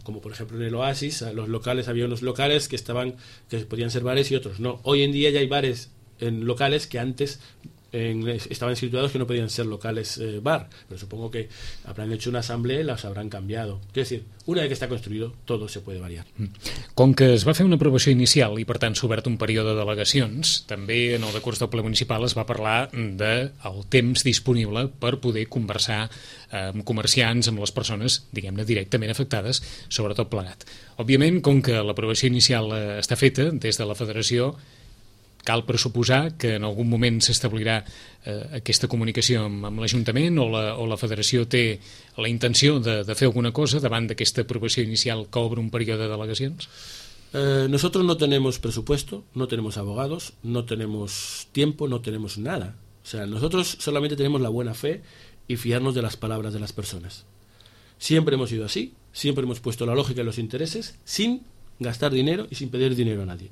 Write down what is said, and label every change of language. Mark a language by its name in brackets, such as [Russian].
[Spanish] Como por ejemplo en el Oasis, los locales, había unos locales que estaban, que podían ser bares y otros no. Hoy en día ya hay bares en locales que antes estaban situados que no podían ser locales bar, pero supongo que habrán hecho una asamblea y las habrán cambiado. Es decir, una vez que está construido, todo se puede variar. [Catalan] Com que es va fer una aprovació inicial i per tant s'ha obert un període d'al·legacions, també en el decurs del ple municipal es va parlar del temps disponible per poder conversar amb comerciants, amb les persones, diguem-ne, directament afectades, sobretot plegat. Òbviament, com que l'aprovació inicial està feta des de la federació, cal pressuposar que en algun moment s'establirà aquesta comunicació amb l'Ajuntament o la Federació té la intenció de fer alguna cosa davant d'aquesta aprovació inicial que obre un període d'al·legacions? [Spanish] Nosotros no tenemos presupuesto, no tenemos abogados, no tenemos tiempo, no tenemos nada. O sea, nosotros solamente tenemos la buena fe y fiarnos de las palabras de las personas. Siempre hemos sido así, siempre hemos puesto la lógica y los intereses sin gastar dinero y sin pedir dinero a nadie.